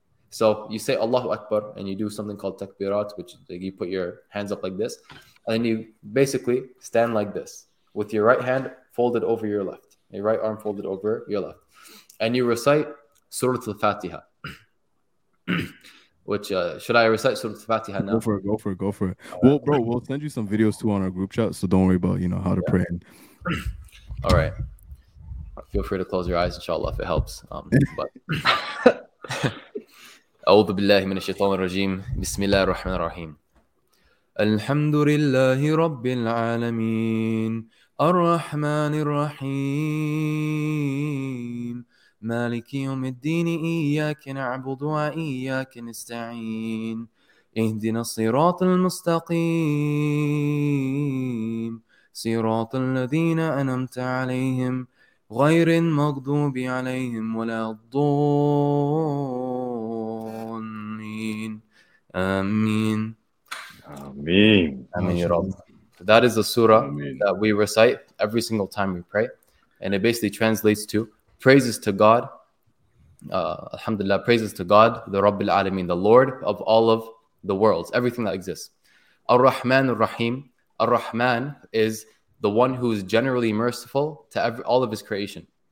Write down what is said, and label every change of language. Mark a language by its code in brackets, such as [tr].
[en] So you say Allahu Akbar and you do something called takbirat, which like, you put your hands up like this, and then you basically stand like this with your right hand folded over your left, your right arm folded over your left, and you recite Surah Al-Fatiha. Which should I recite Surah Al-Fatiha now? Go for it. Well, bro, we'll send you some videos too on our group chat, so don't worry about how to pray. All right, feel free to close your eyes, inshallah, if it helps. [ar] But أعوذ بالله من الشيطان الرجيم بسم الله الرحمن الرحيم الحمد لله رب العالمين الرحمن الرحيم مالك يوم الدين إياك نعبد وإياك نستعين اهدنا الصراط المستقيم صراط الذين أنعمت عليهم غير المغضوب عليهم ولا الضالين آمين آمين آمين يا رب. [en] That is the surah that we recite every single time we pray, and it basically translates to praises to God. Alhamdulillah, praises to God, the Rabbil Alameen, the Lord of all of the worlds, everything that exists. Ar-Rahman Ar-Rahim. Ar-Rahman is the one who is generally merciful to all of his creation.